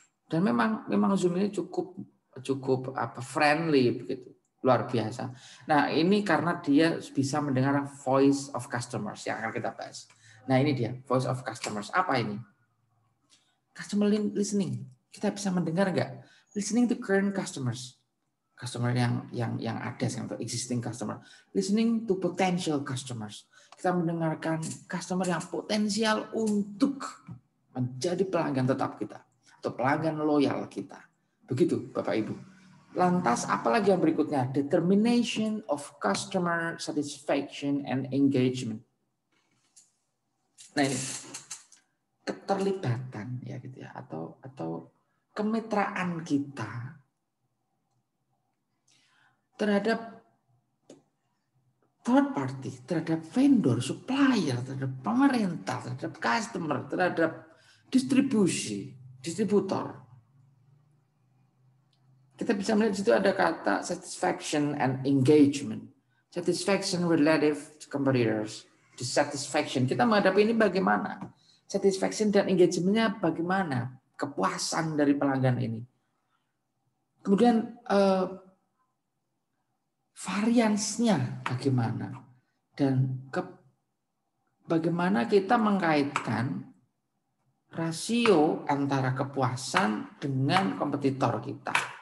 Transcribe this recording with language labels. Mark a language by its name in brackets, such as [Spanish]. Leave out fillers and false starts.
[Indonesian] Dan memang Zoom ini cukup apa friendly begitu, luar biasa. Nah, ini karena dia bisa mendengar [English] voice of customers [Indonesian] yang akan kita bahas. Nah, ini dia [English] voice of customers. [Indonesian] Apa ini? [English] Customer listening. [Indonesian] Kita bisa mendengar nggak? [English] Listening to current customers. Customer [Indonesian] yang ada, yang [English] to existing customer. Listening to potential customers. [Indonesian] Kita mendengarkan customer yang potensial untuk menjadi pelanggan tetap kita atau pelanggan loyal kita. Begitu, Bapak Ibu. Lantas apalagi yang berikutnya? [English] Determination of customer satisfaction and engagement. [Indonesian] Nah, ini keterlibatan ya gitu ya, atau kemitraan kita terhadap third party, terhadap vendor, supplier, terhadap pemerintah, terhadap customer, terhadap distributor. Kita bisa melihat di situ ada kata [English] satisfaction and engagement. Satisfaction relative to competitors. Dissatisfaction. [Indonesian] Kita menghadapi ini bagaimana? Satisfaction dan engagement-nya bagaimana? Kepuasan dari pelanggan ini. Kemudian variansnya bagaimana? Dan bagaimana kita mengkaitkan rasio antara kepuasan dengan kompetitor kita.